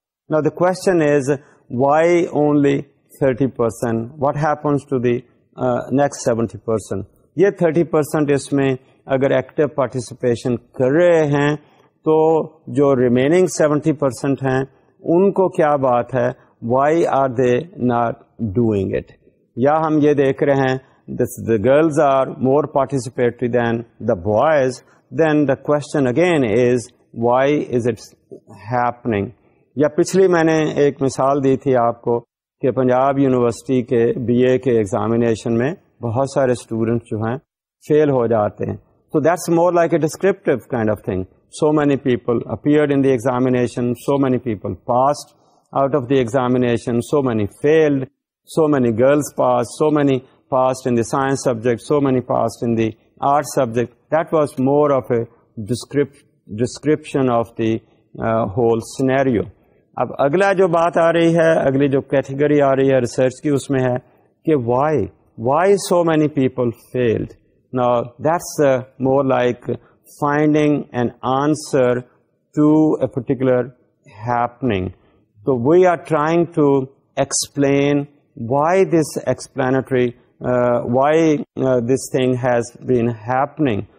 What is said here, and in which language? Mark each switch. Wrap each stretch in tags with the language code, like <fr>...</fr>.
<en>Now the question is why only 30%, what happens to the next 70%.</en> <ur>یہ 30% اس میں اگر active participation کر رہے ہیں تو جو ریمیننگ 70% ہیں ان کو کیا بات ہے,</ur> <en>why are they not doing it.</en> <ur>یا ہم یہ دیکھ رہے ہیں</ur> <en>the girls are more participatory than the boys, then the question again is why is it happening.</en> <ur>یا پچھلی میں نے ایک مثال دی تھی آپ کو کہ پنجاب یونیورسٹی کے بی اے کے ایگزامینیشن میں بہت سارے اسٹوڈنٹس جو ہیں فیل ہو جاتے ہیں.</ur> <en>تو that's more like a descriptive kind of thing. So many people appeared in the examination, so many people passed out of the examination, so many failed, so many girls passed, so many passed in the science subject, so many passed in the art subject. That was more of a description of the whole scenario.</en> <ur>اب اگلا جو بات آ رہی ہے, اگلی جو category آ رہی ہے ریسرچ کی, اس میں ہے کہ</ur> <en>why so many people failed. Now that's more like finding an answer to a particular happening. So we are trying to explain why this explanatory this thing has been happening.</en>